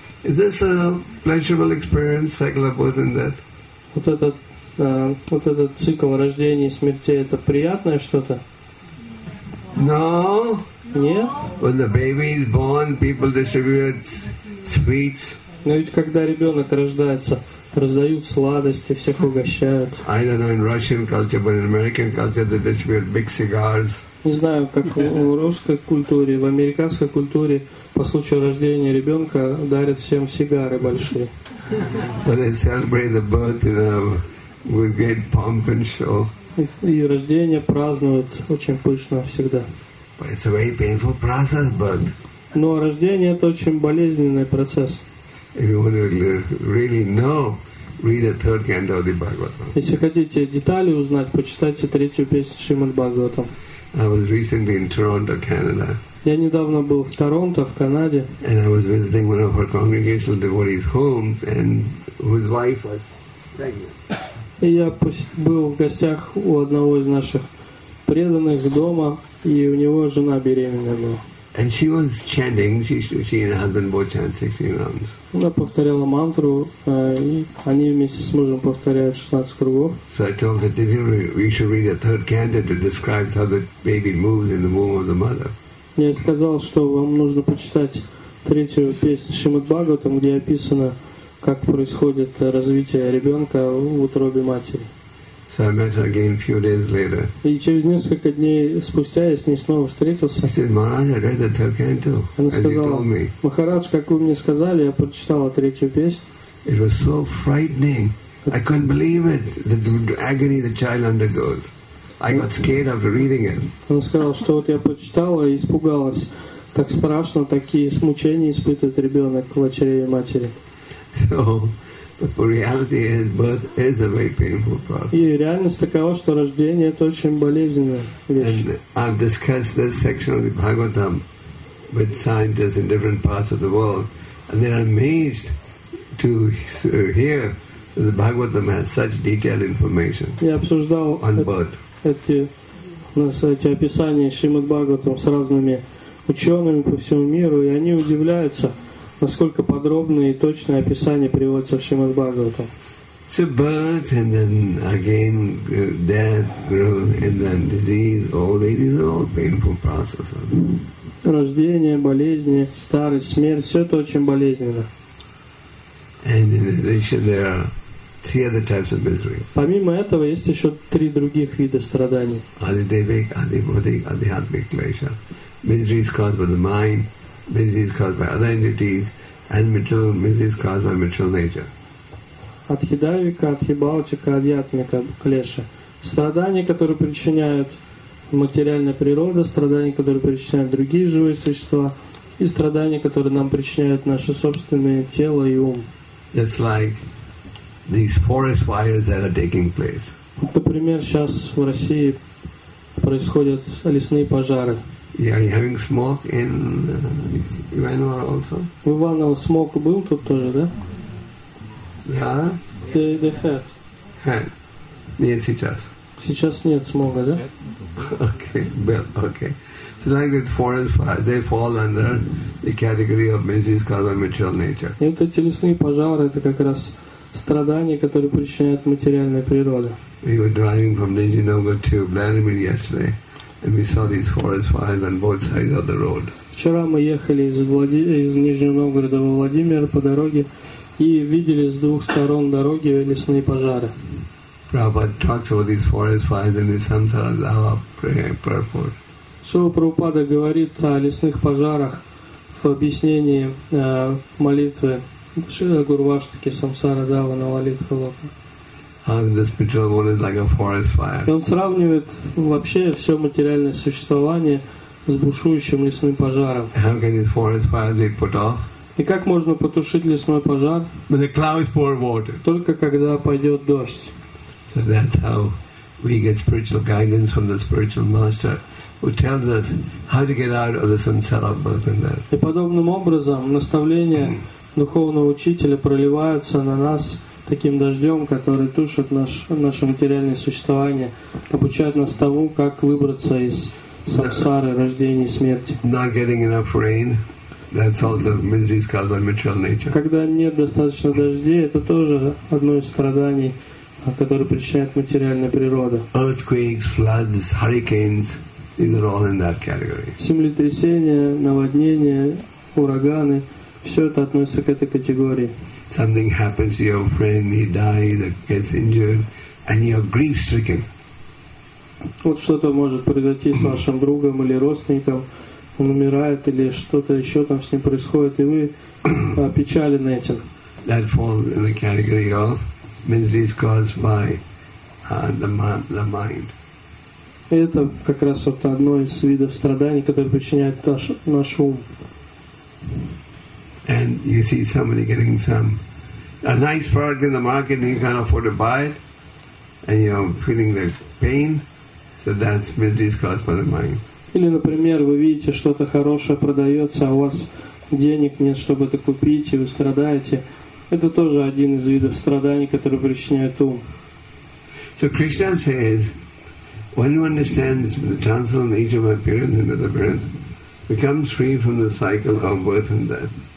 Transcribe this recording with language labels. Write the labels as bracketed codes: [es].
[en] Is this a pleasurable experience, cycle of birth and death? [ru] Вот этот цикл рождения и смерти, это приятное что-то? [en] No. [ru] Нет. [en] When the baby is born, people distribute sweets. [ru] Но ведь когда ребенок рождается, раздают сладости, всех угощают. [en] I don't know in Russian culture, but in American culture they distribute big cigars. [ru] Не знаю, как в русской культуре, в американской культуре по случаю рождения ребенка дарят всем сигары большие. [en] So they celebrate the birth with great pomp and show. [ru] И рождение празднуют очень пышно всегда. [en] But it's a very painful process, but. [ru] Но рождение — это очень болезненный процесс. [en] If you want to really know, read the third canto of the Bhagavatam. [ru] Если хотите детали узнать, почитайте третью песню Шримад Бхагаватам. [en] I was recently in Toronto, Canada. [ru] Я недавно был в Торонто, в Канаде. [en] And I was visiting one of our congregational devotees' homes, and whose wife was pregnant. [ru] И я был в гостях у одного из наших преданных дома, и у него жена беременная была. [en] And she was chanting. She and her husband both chant 16 rounds. [ru] Она повторяла мантру, и они вместе с мужем повторяют 16 кругов. [en] So I told her, "Did you? We should read the third canto that describes how the baby moves in the womb of the mother." [ru] Я сказал, что вам нужно почитать третью песню Шримад Бхагаватам, где описано, как происходит развитие ребенка в утробе матери. [en] So I met her again a few days later. [ru] И через несколько дней спустя я с ней снова встретился. [en] I said, "Maharaj, I read the third canto." [ru] Она сказала: "Махарадж, как вы мне сказали, я прочитала третью песню." [en] It was so frightening. I couldn't believe it. The agony the child undergoes. I got scared after reading it. [ru] Она сказала, что вот я прочитала и испугалась, как страшно такие мучения испытывает ребенок в чреве матери. [en] So. The reality is, birth is a very painful process. [ru] И реальность такова, что рождение — это очень болезненная вещь. [en] And I've discussed this section of the Bhagavatam with scientists in different parts of the world, and they're amazed to hear that the Bhagavatam has such detailed information on birth. [ru] Эти описания Шримад Бхагаватам с разными учеными по всему миру, и они удивляются, насколько подробное и точное описание приводится в Шримад Бхагаватам. [en] So birth, and then again death, growth, and then disease, old age, these are all painful processes. [ru] Рождение, болезни, старость, смерть — все это очень болезненно. [en] And in addition, there are three other types of misery. [ru] Помимо этого, есть еще три других вида страданий. [en] Adidevik, adibodhik, adihatmik klesha. Misery is caused by the mind. Misery is caused by other entities, and material misery is caused by material nature. [ru] Адхидавика, адхибаутика, адьятмика, клеша. Страдания, которые причиняют материальная природа, страдания, которые причиняют другие живые существа, и страдания, которые нам причиняют наше собственное тело и ум. [en] It's like these forest fires that are taking place. [ru] Например, сейчас в России происходят лесные пожары. [en] Yeah, are you having smoke in Ivanovo also? [ru] В Иваново смог был тут тоже, да? [en] Yeah. They had. Had. [ru] Нет сейчас. Сейчас нет смога, да? [en] Okay, well, okay. So like the forest fire, they fall under the category of misery caused by material nature. [ru] И вот эти лесные пожары — это как раз страдания, которые причиняют материальная природа. [en] We were driving from Nizhinogo to Vladimir yesterday. And we saw these forest fires on both sides of the road. [ru] Вчера мы ехали из Нижнего Новгорода во Владимир по дороге и видели с двух сторон дороги лесные пожары. [en] Prabhupada talks about these forest fires in his Samsara Lava purport. [ru] Шрила Прабхупада говорит о лесных пожарах в объяснении молитвы Шрила Гурваштаки Самсара Дава на молитву Лапа. [en] This material world is like a forest fire. [ru] И он сравнивает вообще все материальное существование с бушующим лесным пожаром. [en] How can these forest fires be put off? [ru] И как можно потушить лесной пожар? [en] When the clouds pour water. [ru] Только когда пойдет дождь. [en] So that's how we get spiritual guidance from the spiritual master, who tells us how to get out of the samsara birth and death. [ru] И подобным образом наставления духовного учителя проливаются на нас таким дождем, который тушит наше материальное существование, обучает нас тому, как выбраться из самсары, рождения и смерти. [en] Not getting enough rain, that's also misery is caused by material nature. [ru] Когда нет достаточно дождей, это тоже одно из страданий, которое причиняет материальная природа. [en] Earthquakes, floods, hurricanes, these are all in that category. [ru] Землетрясения, наводнения, ураганы, все это относится к этой категории. [en] Something happens to your friend, he dies, gets injured, and you're grief-stricken. [ru] Вот что-то может произойти с вашим другом или родственником, он умирает или что-то еще там с ним происходит, и вы опечалены этим. [en] That falls in the category of misery is caused by the mind. [ru] Это как раз вот одно из видов страданий, которые причиняет наш ум. [en] And you see somebody getting a nice product in the market and you can't afford to buy it, and you're feeling the pain. So that's misery is caused by the mind. [ru] Или, например, вы видите, что-то хорошее продается, а у вас денег нет, чтобы это купить, и вы страдаете. Это тоже один из видов страданий, которые причиняют ум. [en] So Krishna says, when you understand the transcendental nature of appearance and disappearance, becomes free from the cycle of birth and death.